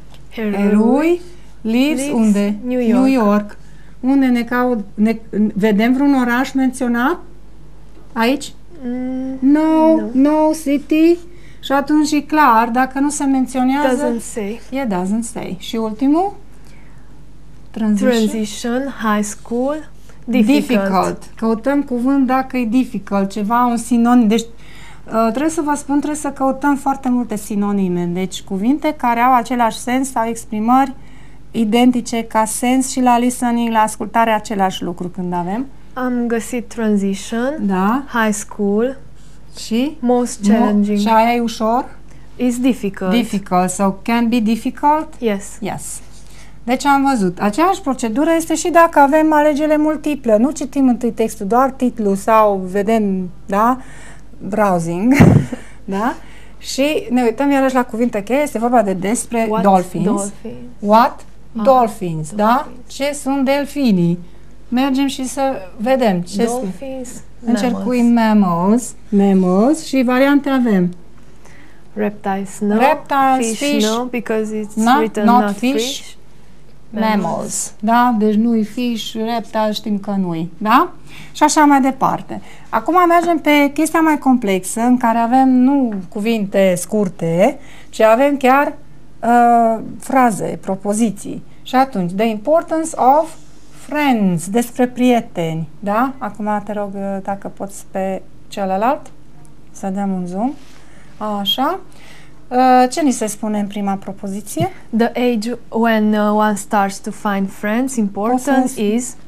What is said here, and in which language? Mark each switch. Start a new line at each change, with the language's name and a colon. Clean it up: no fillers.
English: Herui. Lives
Romanian: unde?
English: New York.
Romanian: New York. Unde ne caut? Vedem vreun oraș menționat? Aici?
English: No city.
Romanian: Și atunci e clar, dacă nu se menționează...
English: Doesn't say. Yeah, doesn't say.
Romanian: Și ultimul?
English: Transition, high school, difficult.
Romanian: Căutăm cuvânt dacă e difficult, ceva, un sinonim. Deci, trebuie să vă spun, trebuie să căutăm foarte multe sinonime. Deci, cuvinte care au același sens sau exprimări identice ca sens și la listening, la ascultare, același lucru când avem. Am găsit transition, da.
English: High school
Romanian: și
English: most challenging.
Romanian: Și aia e ușor?
English: It's difficult. Difficult, so can be difficult? Yes. Yes.
Romanian: Deci am văzut. Aceeași procedură este și dacă avem alegere multiplă. Nu citim întâi textul, doar titlul sau vedem, da? Browsing. Da? Și ne uităm iarăși la cuvinte cheie. Este vorba de despre
English: what dolphins. What? Dolphins, da? Dolphins.
Romanian: Ce sunt delfinii? Mergem și să vedem. Ce
English: dolphins,
Romanian: mammals. Încercuim mammals. Mammals și variante avem.
English: Reptiles, no. Reptiles, fish, no, because it's not, written not, not fish. Mammals, da?
Romanian: Deci nu-i fish, reptiles, știm că nu-i, da? Și așa mai departe. Acum mergem pe chestia mai complexă, în care avem nu cuvinte scurte, ci avem chiar fraze, propoziții. Și atunci,
English: the importance of friends,
Romanian: despre prieteni, da? Acum te rog dacă poți pe celălalt să dăm un zoom. Așa. Ce ni se spune în prima propoziție?
English: The age when one starts to find friends important is...